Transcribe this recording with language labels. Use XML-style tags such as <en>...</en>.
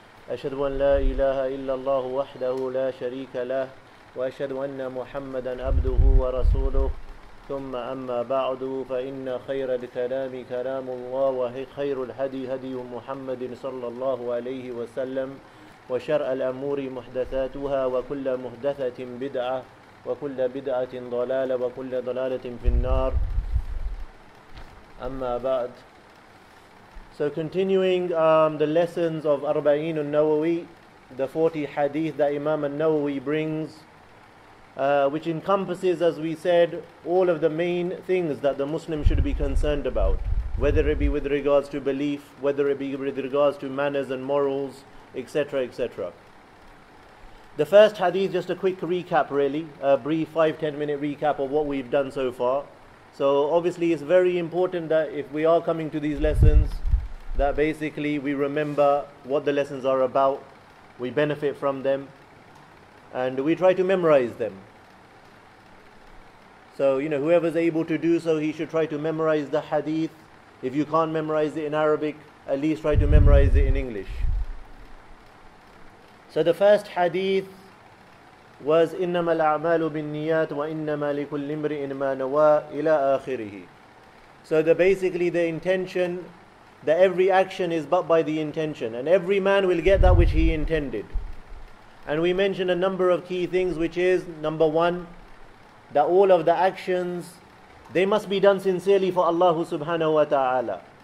<ar>أشهد أن لا إله إلا الله وحده لا شريك له وأشهد أن محمدا عبده ورسوله ثم أما بعد فإن خير الكلام كلام الله وخير الهدي هدي محمد صلى الله عليه وسلم وشر الأمور محدثاتها وكل محدثة بدعة وكل بدعة ضلالة وكل ضلالة في النار أما بعد.</ar> <en>So continuing the lessons of Arba'in al-Nawawi, the 40 hadith that Imam al-Nawawi brings, which encompasses, as we said, all of the main things that the Muslim should be concerned about, whether it be with regards to belief, whether it be with regards to manners and morals, etc., etc. The first hadith, just a quick recap really, a brief 5-10 minute recap of what we've done so far. So obviously it's very important that if we are coming to these lessons, that basically we remember what the lessons are about, we benefit from them, and we try to memorize them. So, you know, whoever's able to do so, he should try to memorize the hadith. If you can't memorize it in Arabic, at least try to memorize it in English. So the first hadith was</en> <ar>إِنَّمَا الْأَعْمَالُ بِالنِّيَّاتِ وَإِنَّمَا لِكُلِّ امْرِئٍ مَا نَوَى إِلَىٰ آخِرِهِ.</ar> <en>So basically the intention, that every action is but by the intention, and every man will get that which he intended. And we mentioned a number of key things, which is, number one, that all of the actions, they must be done sincerely for Allah subhanahu wa ta'ala.</en>